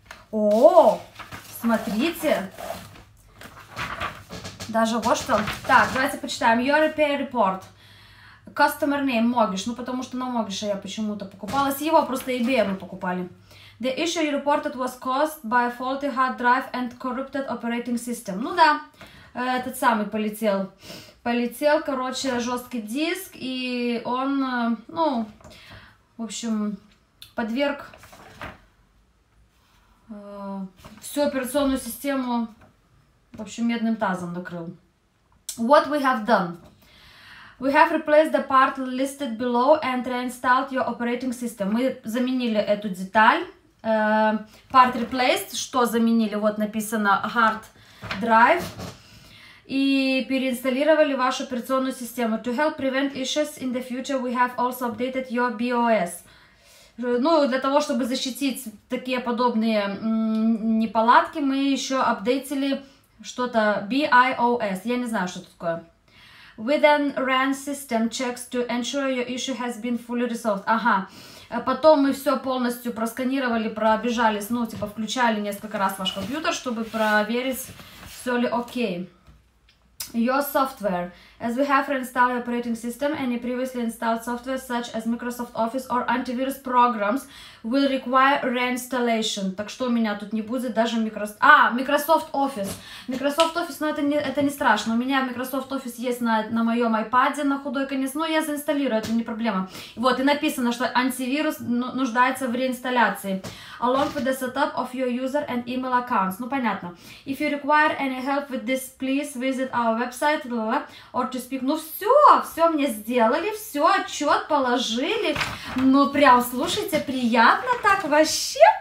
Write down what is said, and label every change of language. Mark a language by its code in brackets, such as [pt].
[ru] О! Смотрите! Даже вот что. Так, давайте почитаем. [en] Your repair report. Customer name Mogish. [ru] Ну, потому что на Mogish я почему-то покупала. С его просто eBay мы покупали. [en] The issue you reported was caused by a faulty hard drive and corrupted operating system. [ru] Ну да, этот самый полетел. Полетел, короче, жесткий диск. И он, ну, в общем, подверг всю операционную систему... В общем, медным тазом накрыл. [en] What we have done? We have replaced the part listed below and reinstalled your operating system. [ru] Мы заменили эту деталь. [en] Part replaced. [ru] Что заменили? Вот написано hard drive. И переинсталировали вашу операционную систему. [en] To help prevent issues in the future, we have also updated your BOS. [ru] Ну, для того, чтобы защитить такие подобные неполадки, мы еще апдейтили... Что-то BIOS. Я не знаю, что это такое. [en] We then ran system checks to ensure your issue has been fully resolved. [ru] Ага. Потом мы все полностью просканировали, пробежались, ну, типа, включали несколько раз ваш компьютер, чтобы проверить, все ли окей. [en] Your software. As we have reinstalled operating system, any previously installed software, such as Microsoft Office or antivirus programs, will require reinstallation. [ru] Так что у меня тут не будет даже Microsoft Office. Microsoft Office, ну это не страшно. У меня Microsoft Office есть на моем iPad, на худой конец. Но я заинсталирую, это не проблема. Вот, и написано, что антивирус нуждается в реинсталляции. [en] Along with the setup of your user and email accounts. [ru] Ну, понятно. [en] If you require any help with this, please visit our website, or to speak. [ru] Ну все, все мне сделали, все, отчет положили. Ну прям, слушайте, приятно так вообще.